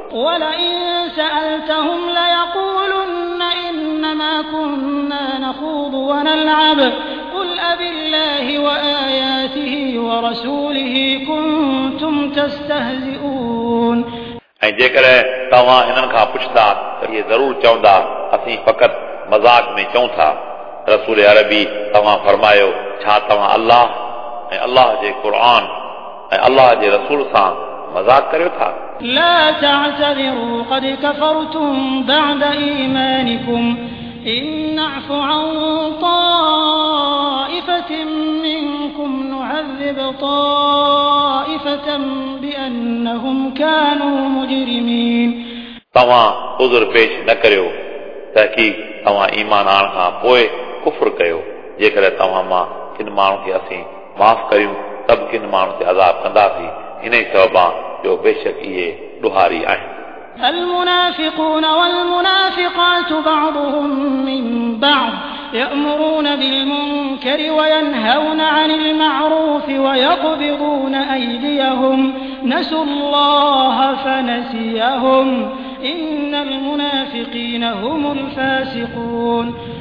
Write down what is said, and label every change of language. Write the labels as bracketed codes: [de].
[ar] ولئن سألتهم ليقولن انما كنا نخوض ونلعب قل أبالله وآياته ورسوله كنتم تستهزئون [sd] ۽ جيڪڏهن توهان هنن کان پڇندا ته هي ضرور چوندا اسين فقط مذاق ۾ چون ٿا رسول عربي توهان فرمايو ڇا توهان الله ۽ الله جي قرآن ۽ الله جي رسول سان مذاق ڪريو ٿا [ar] لا تعتذروا قد كفرتم بعد ايمانكم ان نعف عن طائفه منكم نعذب طائفه بانهم كانوا مجرمين [sd] توهان عذر پیش نہ ڪريو تاڪي توهان ايمان آڻ کان پوءِ كفر ڪيو جيڪڏهن توهان مان ڪن ماڻهن کي اسين معاف ڪريو تب ڪن ماڻهن تي عذاب ڪندا ٿي هن سبب جو بے شک یہ ڏوهاري آهن [ar] المنافقون والمنافقات بعضهم من بعض يأمرون بالمنكر وينهون عن المعروف ويقبضون أيديهم نسوا الله فنسيهم إن المنافقين هم الفاسقون